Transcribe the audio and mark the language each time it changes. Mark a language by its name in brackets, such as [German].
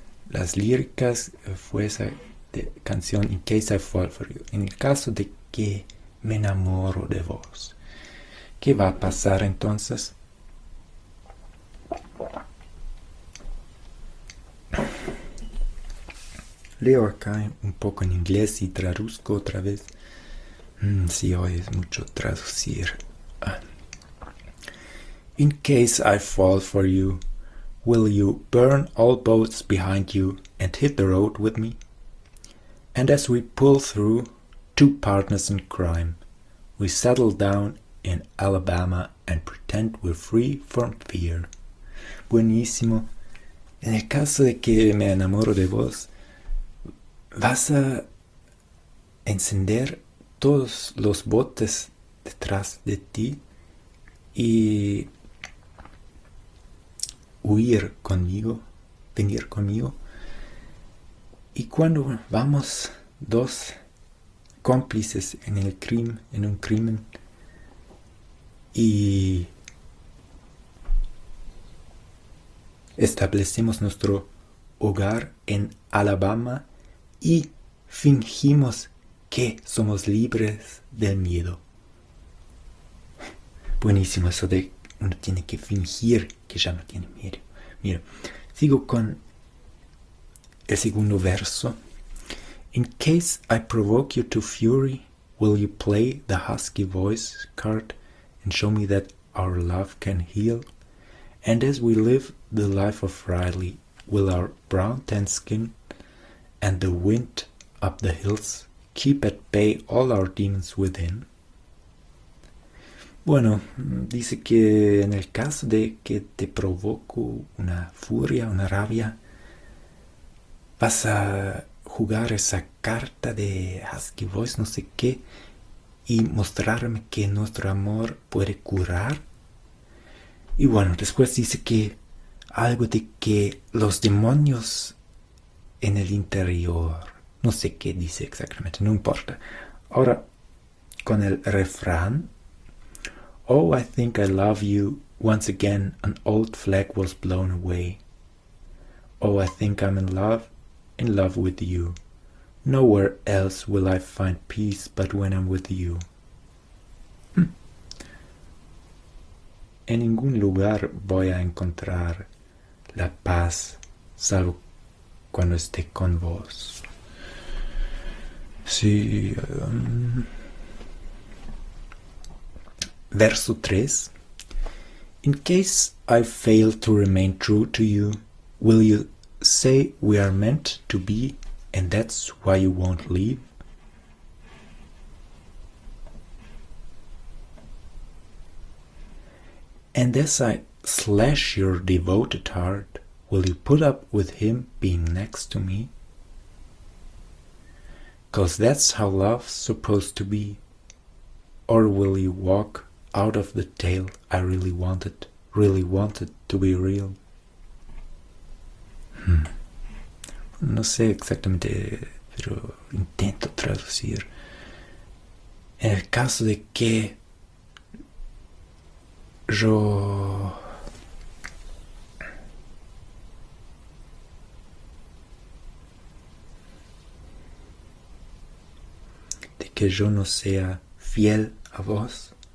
[Spanish] Las líricas fue esa canción In Case I Fall For You, en el caso de que me enamoro de vos, ¿qué va a pasar entonces? Leo acá un poco en inglés y traduzco otra vez. Sí, hoy es mucho traducir. [English] In case I fall for you, will you burn all boats behind you and hit the road with me? And as we pull through, two partners in crime, we settle down in Alabama and pretend we're free from fear. [Spanish] Buenísimo. En el caso de que me enamoro de vos, vas a encender todos los botes detrás de ti y huir conmigo, venir conmigo. Y cuando vamos dos cómplices en el crimen, en un crimen. Y establecimos nuestro hogar en Alabama y fingimos que somos libres del miedo. Buenísimo eso de uno tiene que fingir que ya no tiene miedo. Mira, sigo con el segundo verso. [English] In case I provoke you to fury, will you play the husky voice card and show me that our love can heal? And as we live the life of Riley, will our brown tan skin and the wind up the hills keep at bay all our demons within? [Spanish] Bueno, dice que en el caso de que te provoco una furia, una rabia, vas a jugar esa carta de [English] husky voice, [Spanish] no sé qué, y mostrarme que nuestro amor puede curar. Y bueno, después dice que algo de que los demonios en el interior, no sé qué dice exactamente, no importa. Ahora, con el refrán. [English] Oh, I think I love you. Once again, an old flag was blown away. Oh, I think I'm in love with you. Nowhere else will I find peace but when I'm with you. [Spanish] En ningún lugar voy a encontrar la paz, salvo cuando esté con vos. Sí. Verso 3. [English] In case I fail to remain true to you, will you say we are meant to be and that's why you won't leave? And as I slash your devoted heart, will you put up with him being next to me? 'Cause that's how love's supposed to be. Or will you walk out of the tale I really wanted to be real? [Spanish] No sé exactamente, pero intento traducir. En el caso de que yo no sea fiel a vos,